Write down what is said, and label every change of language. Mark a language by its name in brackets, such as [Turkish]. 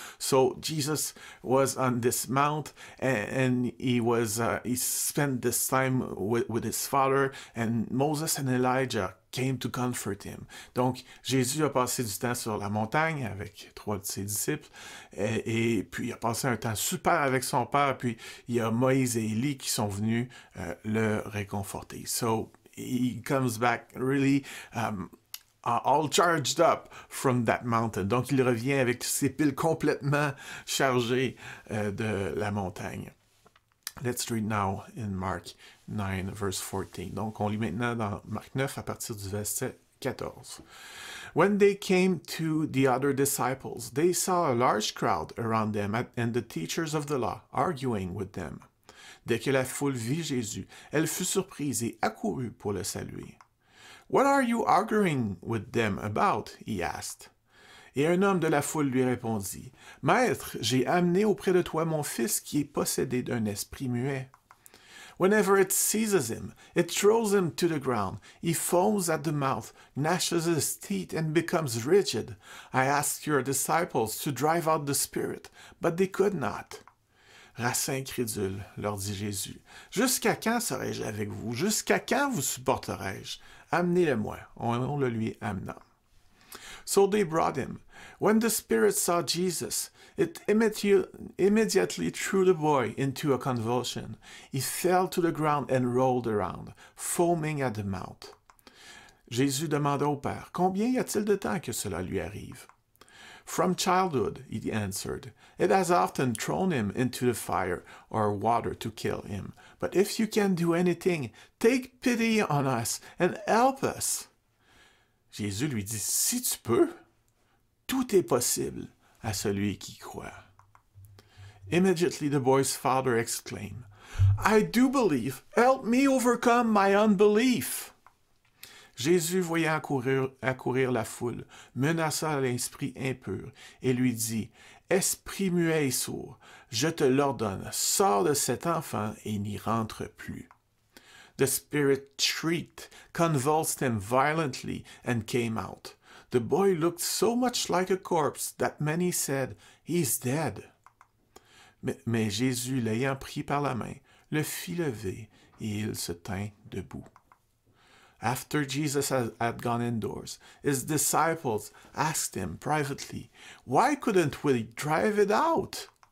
[English] So Jesus was on this mount, and he spent this time with his father, and Moses and Elijah came to comfort him. [French] Donc, Jésus a passé du temps sur la montagne avec trois de ses disciples, et puis il a passé un temps super avec son père, puis il y a Moïse et Élie qui sont venus le réconforter. [English] So, he comes back really all charged up from that mountain. [French] Donc, il revient avec ses piles complètement chargées de la montagne. [English] Let's read now in Mark 9, verse 14. [French] Donc, on lit maintenant dans Marc 9 à partir du verset 14. [English] When they came to the other disciples, they saw a large crowd around them and the teachers of the law arguing with them. [French] Dès que la foule vit Jésus, elle fut surprise et accourut pour le saluer. [English] What are you arguing with them about? He asked. [French] Et un homme de la foule lui répondit, « Maître, j'ai amené auprès de toi mon fils qui est possédé d'un esprit muet. [English] Whenever it seizes him, it throws him to the ground. He foams at the mouth, gnashes his teeth, and becomes rigid. I asked your disciples to drive out the spirit, but they could not. » [French] Race incrédule, leur dit Jésus, « Jusqu'à quand serai-je avec vous? Jusqu'à quand vous supporterai-je? Amenez-le-moi. » On le lui amena. [English] So they brought him. When the spirit saw Jesus, it immediately threw the boy into a convulsion. He fell to the ground and rolled around, foaming at the mouth. [French] Jésus demanda au père, combien y a-t-il de temps que cela lui arrive? [English] From childhood, he answered, it has often thrown him into the fire or water to kill him. But if you can do anything, take pity on us and help us. [French] Jésus lui dit, « Si tu peux, tout est possible à celui qui croit. » [English] Immediately the boy's father exclaimed, « I do believe, help me overcome my unbelief. [French] » Jésus voyant accourir la foule, menaça l'esprit impur et lui dit, « Esprit muet et sourd, je te l'ordonne, sors de cet enfant et n'y rentre plus. » [English] The spirit shrieked, convulsed him violently, and came out. The boy looked so much like a corpse that many said, he's dead. [French] Mais Jésus, l'ayant pris par la main, le fit lever, et il se tint debout. [English] after Jesus had gone indoors, his disciples asked him privately, why couldn't we drive it out?